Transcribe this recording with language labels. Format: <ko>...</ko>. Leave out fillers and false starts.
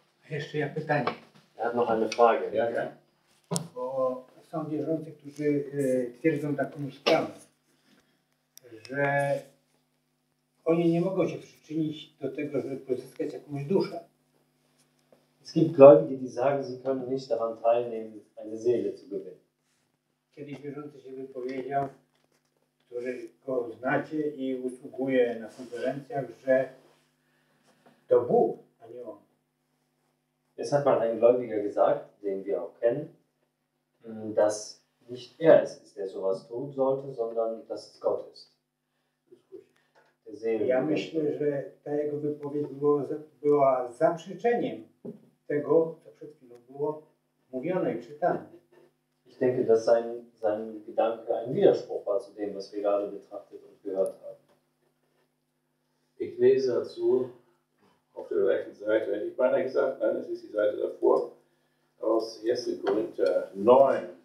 <pl>A jeszcze ja pytanie. Ja mam</pl> <de>eine Frage.</de> <pl>Ja, bo są wierzący, którzy twierdzą taką sprawę, że oni nie mogą się przyczynić do tego, żeby pozyskać jakąś duszę.</pl> <de>Es gibt Gläubige, die sagen, sie können nicht daran teilnehmen, eine Seele zu gewinnen.</de> <pl>Kiedyś wierzący się wypowiedział, który go znacie i usługuje na konferencjach, że to Bóg, a nie on.</pl> <de>Es hat mal ein Gläubiger gesagt, den wir auch kennen, dass nicht er es ist, der sowas tun sollte, sondern dass es Gott ist.</de> <pl>Ja myślę, że ta jego wypowiedź była zaprzeczeniem tego, co przed chwilą było mówione i czytane.</pl> <de>Ich denke, dass sein Gedanke ein Widerspruch war zu dem, was wir gerade betrachtet und gehört haben. Ich lese dazu auf der rechten Seite, hätte ich beinahe gesagt, nein, es ist die Seite davor, aus 1. Korinther 9.</de>